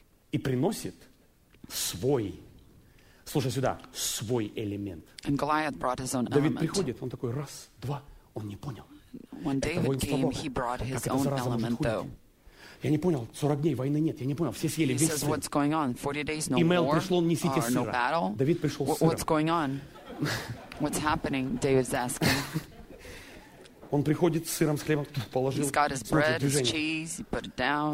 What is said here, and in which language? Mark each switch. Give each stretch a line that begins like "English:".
Russian: и приносит свой, слушай сюда, свой элемент.
English: And Goliath brought his own element.
Russian: Давид приходит, он такой, раз, два, он не понял.
English: When David came, he brought his own element, though.
Russian: Я не понял, 40 дней войны нет, я не понял, все съели весь сыр.
English: He says, what's going on? 40 days, no Email war?
Russian: Пришло, несите сыра.
English: No battle?
Russian: Давид пришел с сыром.
English: What's going on? What's happening? David's asking.
Russian: Он приходит с сыром, с хлебом, положил.
English: He's got his bread, his cheese, he put it down.